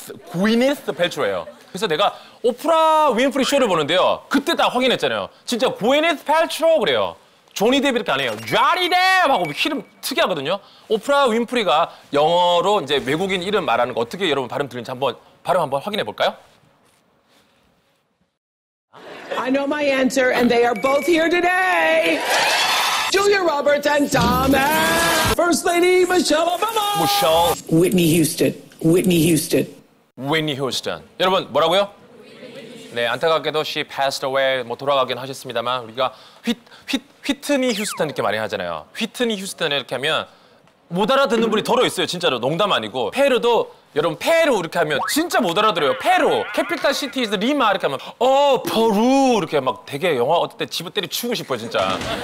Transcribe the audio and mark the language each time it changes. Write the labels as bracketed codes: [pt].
[ko] 구이니스 펠트로예요. 그래서 내가 오프라 윈프리 쇼를 보는데요. 그때 딱 확인했잖아요. 진짜 구이니스 펠트로 그래요. 조니 뎁 이렇게 안 해요. 조니 뎁 하고 이름 특이하거든요. 오프라 윈프리가 영어로 이제 외국인 이름 말하는 거 어떻게 여러분 발음 들리는지 한번 발음 한번 확인해 볼까요? [en] I know my answer and they are both here today. Julia Roberts and Tom Hanks. First Lady Michelle Obama. Michelle. Whitney Houston. Whitney Houston. [ko] Whitney Houston. 여러분 뭐라고요? 네, 안타깝게도 [en] she passed away. [ko] 뭐 돌아가긴 하셨습니다만 우리가 휘트니 휴스턴 이렇게 많이 하잖아요. 휘트니 휴스턴 이렇게 하면 못 알아듣는 분이 덜어 있어요. 진짜로 농담 아니고 페루도 여러분 페루 이렇게 하면 진짜 못 알아들어요. 페루 [en] 캐피탈 시티 이즈 리마 [ko] 이렇게 하면 어 페루 이렇게 막 되게 영화 어떨 때 집을 때려치우고 싶어 진짜.